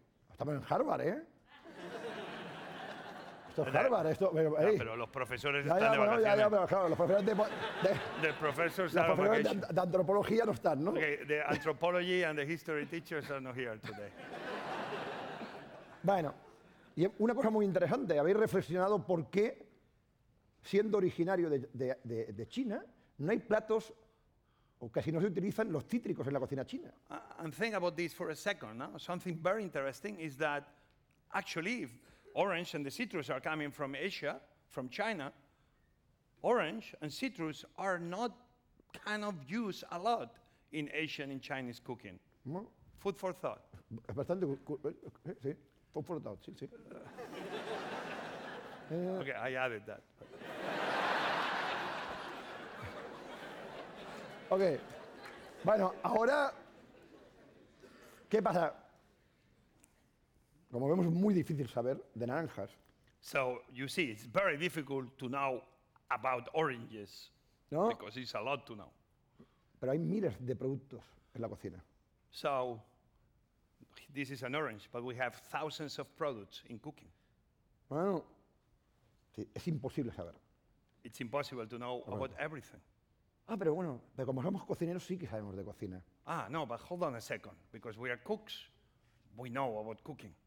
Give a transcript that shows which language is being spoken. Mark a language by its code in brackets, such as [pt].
[es] Estamos en Harvard, ¿eh? Esto es Harvard, pero los profesores están de vacaciones. Ya, pero claro, los profesores de los profesores de antropología no están, ¿no? [en] Okay, the anthropology and the history teachers are not here today. [es] Bueno, y una cosa muy interesante, ¿habéis reflexionado por qué, siendo originario de China, no hay platos o casi no se utilizan los cítricos en la cocina china? [en] And think about this for a second, ¿no? Something very interesting is that actually, orange and the citrus are coming from Asia, from China. orange and citrus are not kind of used a lot in Asian and Chinese cooking. [es] No. [en] Food for thought. [es] Es bastante. Sí. [en] Food for thought. [es] Sí, sí. [en] Okay, I added that. [es] Okay. Bueno, ahora, ¿qué pasa? Como vemos, es muy difícil saber de naranjas. [en] So, you see, it's very difficult to know about oranges. [es] ¿No? [en] Because it's a lot to know. [es] Pero hay miles de productos en la cocina. [en] So, this is an orange, but we have thousands of products in cooking. [es] Bueno, sí, es imposible saber. [en] It's impossible to know bueno. About everything. [es] Ah, pero bueno, pero como somos cocineros, sí que sabemos de cocina. [en] Ah, no, but hold on a second. Because we are cooks, we know about cooking.